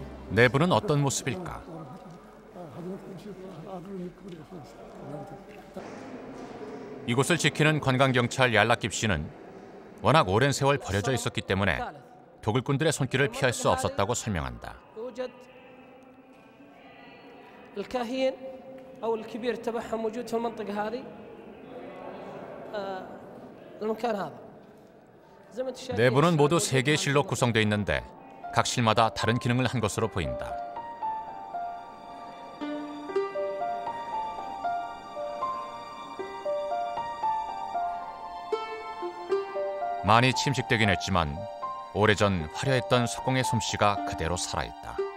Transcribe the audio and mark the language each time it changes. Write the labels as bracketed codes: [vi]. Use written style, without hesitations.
[ko] 내부는 어떤 모습일까? 이곳을 지키는 관광경찰 얄라깁시는 워낙 오랜 세월 버려져 있었기 때문에 도굴꾼들의 손길을 피할 수 없었다고 설명한다. [ar] الكاهين أو الكبير تبعهم موجود في المنطقة هذه المكان هذا. [ko] 내부는 모두 세 개의 실로 구성되어 있는데 각 실마다 다른 기능을 한 것으로 보인다. 많이 침식되긴 했지만 오래전 화려했던 석공의 솜씨가 그대로 살아있다.